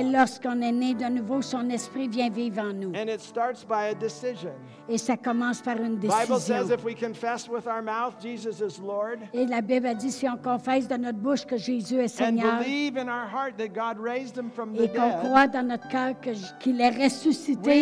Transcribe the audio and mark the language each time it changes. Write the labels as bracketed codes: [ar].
[fr] et [en] us. [fr] Lorsqu'on est né de nouveau, son Esprit vient vivre en nous. [en] And it starts by a decision. [fr] Et ça commence par une décision. [en] Bible says if we confess with our mouth Jesus is Lord. [fr] Et la Bible dit si on confesse de notre bouche que Jésus est Seigneur. [en] And believe in our heart that God raised him from the dead. [fr] Et qu'on croit dans notre cœur qu'il est ressuscité.